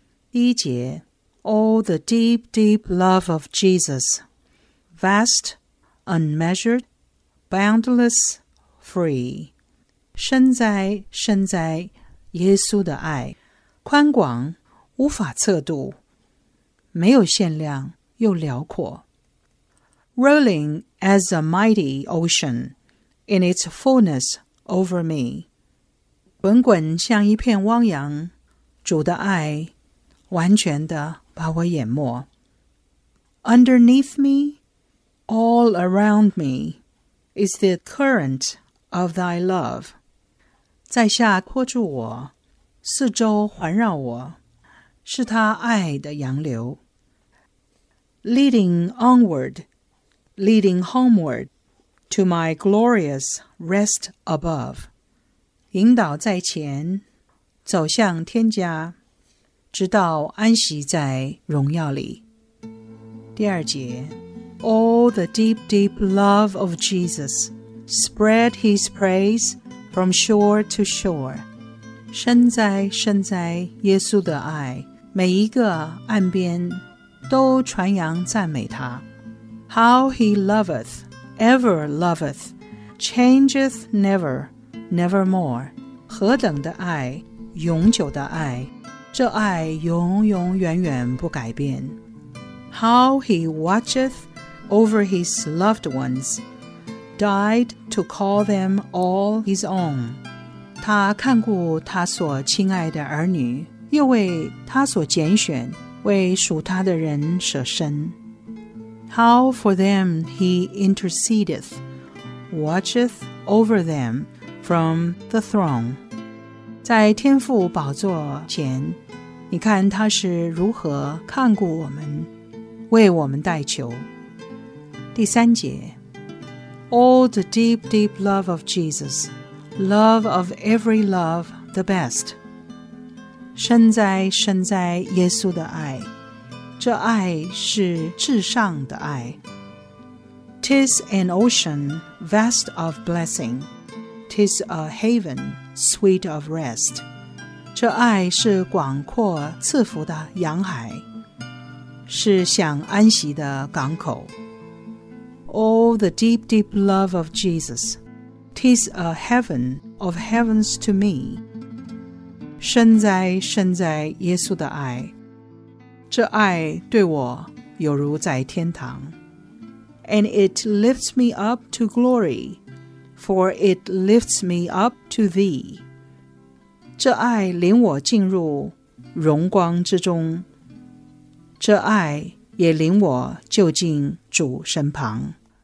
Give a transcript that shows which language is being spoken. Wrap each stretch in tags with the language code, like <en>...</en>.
<zh>第一节</zh> <en>All the deep deep love of Jesus, vast, unmeasured, boundless, free.</en> <zh>深哉深哉耶稣的爱，宽广无法测度，没有限量又辽阔。</zh> <en>Rolling as a mighty oceanIn its fullness over me.</en> <zh>滚滚像一片汪洋，主的爱完全地把我淹没。</zh> <en>Underneath me, all around me, is the current of thy love.</en> <zh>在下泼住我，四周环绕我，是他爱的洋流。</zh> <en>Leading onward, leading homeward to my glorious rest above,</en> <zh>引导在前，走向天家，直到安息在荣耀里。第二节，</zh> <en>All the deep, deep love of Jesus spread his praise from shore to shore.</en> <zh>深哉深哉，耶稣的爱，每一个岸边都传扬赞美他。</zh> <en>How he loveth, ever loveth, changeth never, nevermore.</en> <zh>何等的爱，永久的爱，这爱永永远远不改变。</zh> <en>How he watcheth over his loved ones, died to call them all his own.</en> <zh>他看顾他所亲爱的儿女，又为他所拣选，为属他的人舍身。</zh> <en>How for them he intercedeth, watcheth over them from the throne.</en> <zh>在天父宝座前，你看他是如何看顾我们，为我们代求。第三节，</zh> <en>All the deep, deep love of Jesus, love of every love, the best.</en> <zh>深哉深哉，耶稣的爱，这爱是至上的爱。</zh> <en>'Tis an ocean vast of blessing, 'tis a haven sweet of rest.</en> <zh>这爱是广阔赐福的洋海，是想安息的港口。</zh> <en>All the deep, deep love of Jesus, 'tis a heaven of heavens to me.</en> <zh>深哉深哉，耶稣的爱，这爱对我有如在天堂。</zh> <en>And it lifts me up to glory, for it lifts me up to thee.</en> <zh>这爱领我进入荣光之中，这爱也领我就近主身旁。</zh>